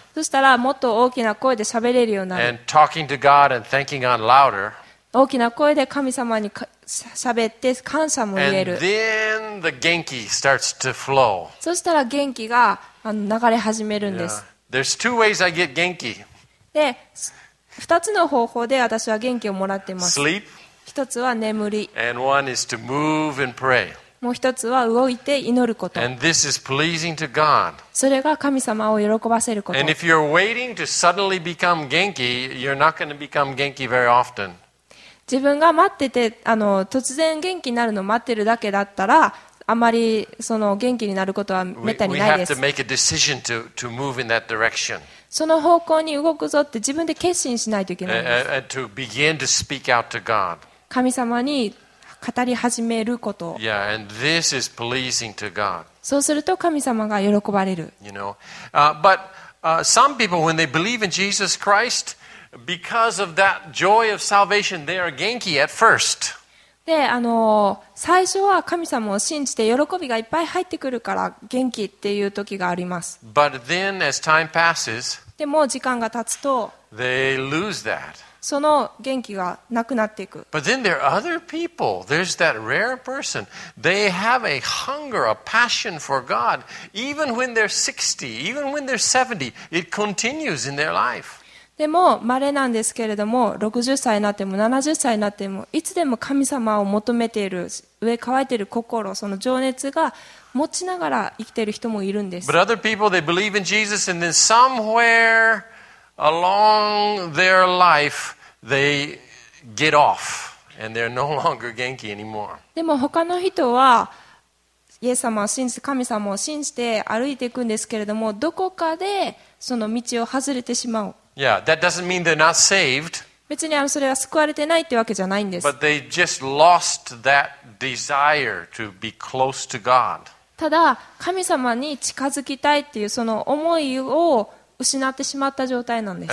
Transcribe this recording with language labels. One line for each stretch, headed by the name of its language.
Japanese: そしたらもっと大きな声で喋れるようになる。
English: And talking to God and thanking God louder,
Japanese: 大きな声で神様に喋って感謝も言える。
English: And then the 元気 starts to flow.
Japanese: そしたら元気が流れ始めるんです。
English: Yeah. There's two ways I get 元気。
Japanese: で2つの方法で私は元気をもらっています。
English: Sleep,
Japanese: 1つは眠り。
English: And one is to move and pray.
Japanese: もう1つは動いて祈ること。
English: And this is pleasing to God.
Japanese: それが神様を喜ばせること。
English: And if you're waiting to suddenly become 元気, you're not going to become 元気 very often.
Japanese: 自分が待ってて突然元気になるのを待ってるだけだったら、あまり元気になることはめったにないです。
English: We have to make a decision to move in that direction.
Japanese: その方向に動くぞって自分で決心しないといけないんです。
English: To begin to speak out to God.
Japanese: 神様に語り始めること。
English: Yeah, and this is pleasing to God.
Japanese: そうすると神様が喜ばれる。
English: You know, but some people when they believe in Jesus Christ, because of that joy of salvation, they are 元気 at first.
Japanese: で最初は神様を信じて喜びがいっぱい入ってくるから元気っていう時があります。
English: But then, as time passes,
Japanese: でも時間が経つと
English: they lose that.
Japanese: その元気がなくなっていく。
English: But then there are other people. There's that rare person. They have a hunger, a passion for God. Even when they're 60, even when they're 70, it continues in their life.
Japanese: でも稀なんですけれども60歳になっても70歳になってもいつでも神様を求めている飢え渇いている心その情熱が持ちながら生きている人もいるんです。
English: But other people, they believe in Jesus, and then somewhere along their life, they get off, and they're no longer 元気 anymore.
Japanese: でも他の人はイエス様を信じて神様を信じて歩いていくんですけれどもどこかでその道を外れてしまう。
English: Yeah, that doesn't mean they're not saved.
Japanese: 別にそれは救われてないってわけじゃないんです。
English: But they just lost that desire to be close to God.
Japanese: ただ神様に近づきたいっていうその思いを失ってしまった状態なんです。